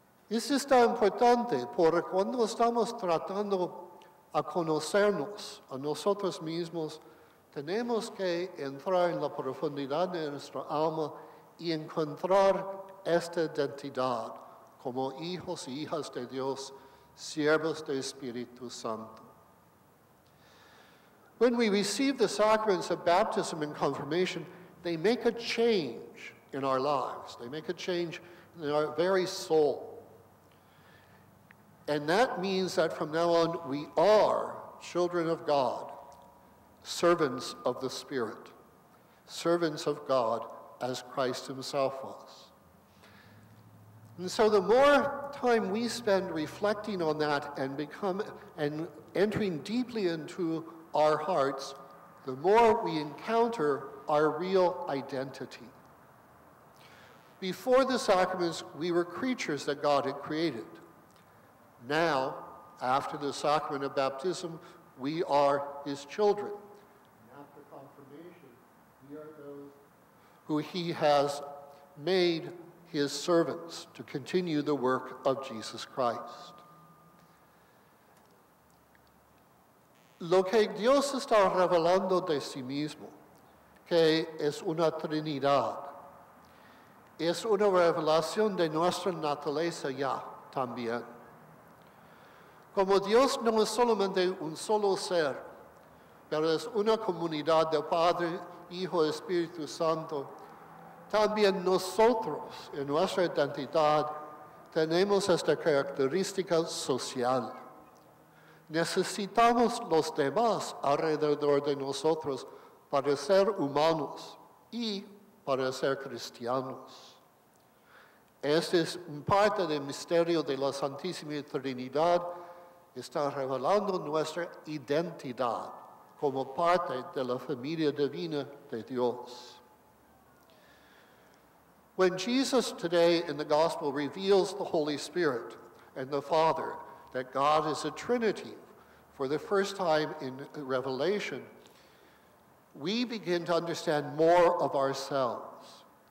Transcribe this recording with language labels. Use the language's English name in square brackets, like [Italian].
[Spanish] Esto es tan importante porque cuando estamos tratando a conocernos a nosotros mismos, tenemos que entrar en la profundidad de nuestra alma y encontrar esta identidad como hijos y hijas de Dios, siervos del Espíritu Santo. [English] When we receive the sacraments of baptism and confirmation, they make a change in our lives. They make a change in our very soul. And that means that from now on, we are children of God, servants of the Spirit, servants of God as Christ himself was. And so the more time we spend reflecting on that and become and entering deeply into our hearts, the more we encounter our real identity. Before the sacraments, we were creatures that God had created. Now, after the sacrament of baptism, we are his children. And after confirmation, we are those who he has made his servants to continue the work of Jesus Christ. [Spanish] Lo que Dios está revelando de sí mismo, que es una Trinidad, es una revelación de nuestra naturaleza ya también. Como Dios no es solamente un solo ser, pero es una comunidad de Padre, Hijo, Espíritu Santo, también nosotros, en nuestra identidad, tenemos esta característica social. Necesitamos los demás alrededor de nosotros para ser humanos y para ser cristianos. Este es un parte del misterio de la Santísima Trinidad. Está revelando nuestra identidad como parte de la familia divina de Dios. [English] When Jesus today in the Gospel reveals the Holy Spirit and the Father, that God is a Trinity, for the first time in Revelation, we begin to understand more of ourselves.